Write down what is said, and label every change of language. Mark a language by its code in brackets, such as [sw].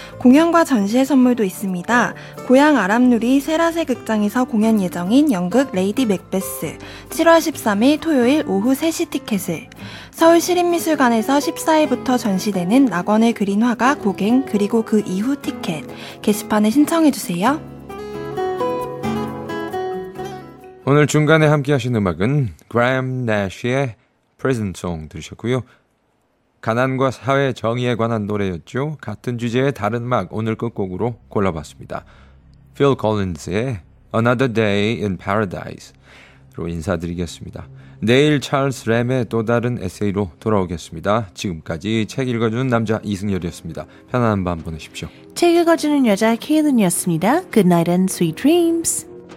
[ko] 공연과 전시의 선물도 있습니다. 고향 아람누리 세라세 극장에서 공연 예정인 연극 레이디 맥베스 7월 13일 토요일 오후 3시 티켓을, 서울 시립미술관에서 14일부터 전시되는 낙원의 그린화가 고갱 그리고 그 이후 티켓 게시판에 신청해주세요. 오늘 중간에 함께하신 음악은 Graham Nash의 Prison Song 들으셨고요. 가난과 사회 정의에 관한 노래였죠. 같은 주제의 다른 음악 오늘 끝곡으로 골라봤습니다. Phil Collins의 Another Day in Paradise로 인사드리겠습니다. 내일 찰스 램의 또 다른 에세이로 돌아오겠습니다. 지금까지 책 읽어주는 남자 이승열이었습니다. 편안한 밤 보내십시오. 책 읽어주는 여자 케이든이었습니다. [en] Good night and sweet dreams.